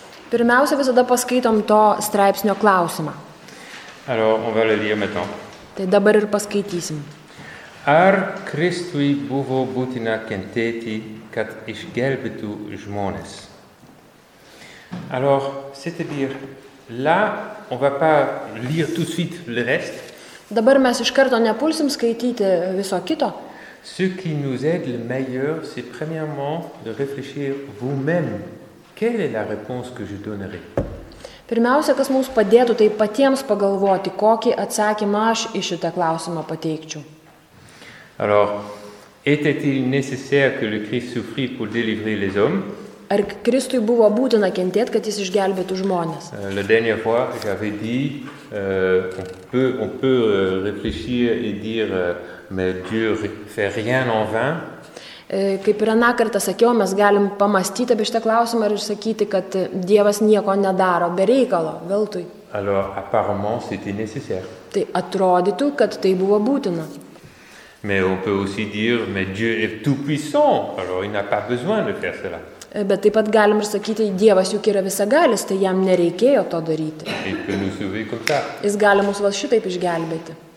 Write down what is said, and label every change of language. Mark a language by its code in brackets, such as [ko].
[lt] Pirmiausia, visada paskaitom to straipsnio klausimą. [fr] Alors, on va le lire maintenant. [lt] Tai dabar ir paskaitysim. Ar Kristui buvo būtina kentėti, kad išgelbėtų žmonės? [fr] Alors, c'est-à-dire, là, on va pas lire tout de suite le reste. [lt] Dabar mes iš karto nepulsim skaityti viso kito. [fr] Ce qui nous aide le meilleur, c'est premièrement de réfléchir vous-même. Quelle est la réponse que je donnerai? [lt] Pirmiausia, kas mums padėtų, tai patiems pagalvoti, kokį atsakymą aš į šitą klausimą pateikčiau. [fr] Alors, était-il nécessaire que le Christ souffrit pour délivrer les hommes? [lt] Ar Kristui buvo būtina kentėti, kad jis išgelbėtų žmones? [fr] La dernière fois, j'avais dit, on peut réfléchir et dire, mais Dieu fait rien en vain. [lt] Kaip ir aną kartą sakiau, mes galim pamastyti apie šitą klausimą ir išsakyti, kad Dievas nieko nedaro be reikalo, veltui. [fr] Alors, apparemment, c'était nécessaire. [lt] Tai atrodytų, kad tai buvo būtina. [fr] Mais on peut aussi dire, mais Dieu est tout puissant, alors il n'a pas besoin de faire cela. [lt] Bet taip pat galim ir sakyti, Dievas juk yra visagalis, tai jam nereikėjo to daryti. Jis gali mūsų vas šitaip išgelbėti.